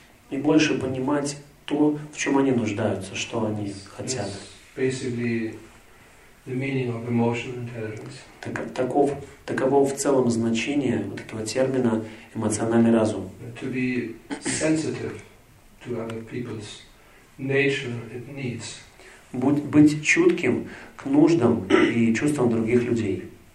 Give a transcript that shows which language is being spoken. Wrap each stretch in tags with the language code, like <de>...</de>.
<ru>И больше понимать то, в чем они нуждаются, что они хотят.</ru> <en>Basically the meaning of emotional intelligence.</en> <ru>Таково в целом значение вот этого термина «эмоциональный разум».</ru> <en>To be sensitive to other people's nature and needs.</en> <ru>Быть чутким к нуждам и чувствам других людей.</ru>